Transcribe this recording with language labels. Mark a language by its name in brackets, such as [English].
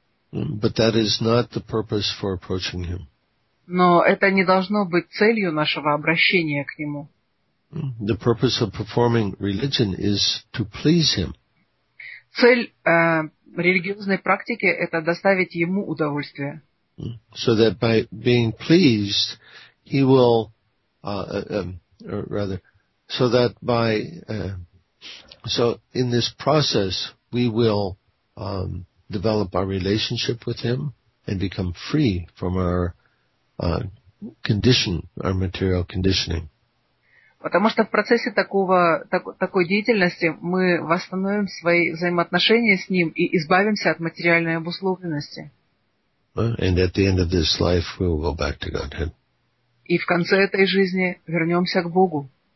[English] But that is not the purpose for approaching him. [Russian] Но это не должно быть целью нашего обращения к нему. [English] The purpose of performing religion is to please him. [Russian] Цель религиозной практики это доставить ему удовольствие. [English] So that by being pleased, he will, so in this process, we will develop our relationship with him and become free from our condition, our material conditioning. [Russian] Потому что в процессе такой деятельности мы восстановим свои взаимоотношения с ним и избавимся от материальной обусловленности. [English] And at the end of this life, we will go back to Godhead. [Russian] И в конце этой жизни вернемся к Богу.